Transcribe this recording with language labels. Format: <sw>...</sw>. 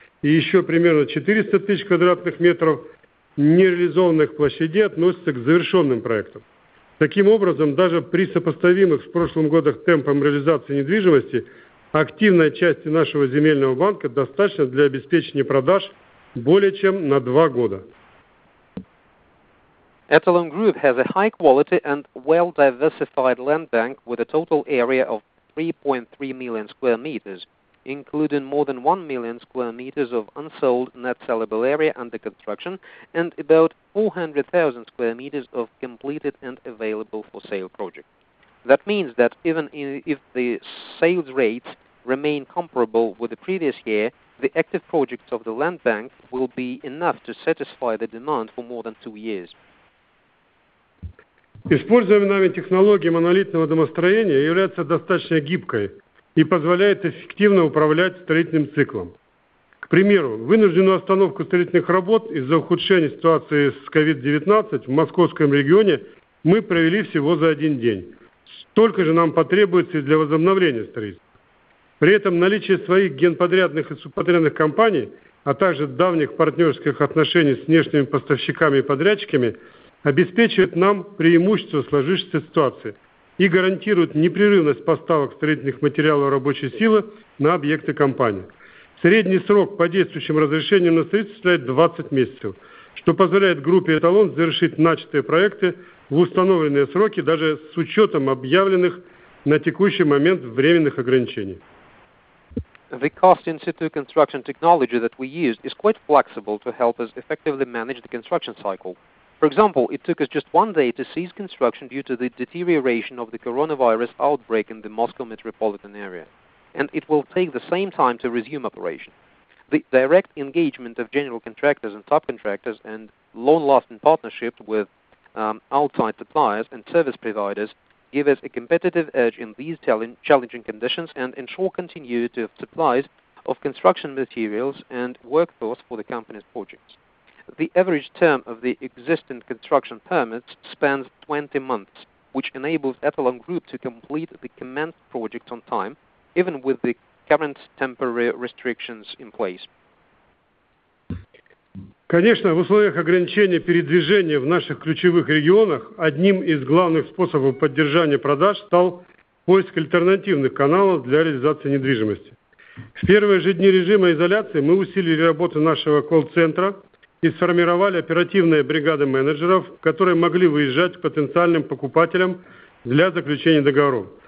<ru>и еще примерно 400 тысяч квадратных метров нереализованных площадей относятся к завершенным проектам. Таким образом, даже при сопоставимых с прошлым годом темпом реализации недвижимости, активной части нашего земельного банка достаточно для обеспечения продаж более чем на 2 года.</ru> <en>Etalon Group has a high-quality and well-diversified land bank with a total area of 3.3 million square meters, including more than 1 million square meters of unsold net sellable area under construction and about 400,000 square meters of completed and available for sale projects. That means that even if the sales rates remain comparable with the previous year, the active projects of the land bank will be enough to satisfy the demand for more than 2 years.</en> <ru>Используемая нами технология монолитного домостроения является достаточно гибкой и позволяет эффективно управлять строительным циклом. К примеру, вынужденную остановку строительных работ из-за ухудшения ситуации с COVID-19 в московском регионе мы провели всего за 1 день. Столько же нам потребуется и для возобновления строительства. При этом наличие своих генподрядных и субподрядных компаний, а также давних партнерских отношений с внешними поставщиками и подрядчиками обеспечивает нам преимущество сложившейся ситуации и гарантирует непрерывность поставок строительных материалов рабочей силы на объекты компании. Средний срок по действующим разрешениям на строительство составляет 20 месяцев, что позволяет группе «Эталон» завершить начатые проекты в установленные сроки, даже с учетом объявленных на текущий момент временных ограничений.</ru> <en>The cost in situ construction technology that we used is quite flexible to help us effectively manage the construction cycle. For example, it took us just 1 day to cease construction due to the deterioration of the coronavirus outbreak in the Moscow metropolitan area, and it will take the same time to resume operation. The direct engagement of general contractors and subcontractors and long-lasting partnerships with outside suppliers and service providers give us a competitive edge in these challenging conditions and ensure continuity of supplies of construction materials and workforce for the company's projects. The average term of the existing construction permits spans 20 months, which enables Etalon Group to complete the commenced project on time, even with the current temporary restrictions in place.</en> <ru>Конечно, в условиях ограничения передвижения в наших ключевых регионах одним из главных способов поддержания продаж стал поиск альтернативных каналов для реализации недвижимости. В первые же дни режима изоляции мы усилили работу нашего колл-центра и сформировали оперативные бригады менеджеров, которые могли выезжать к потенциальным покупателям для заключения договоров.</ru>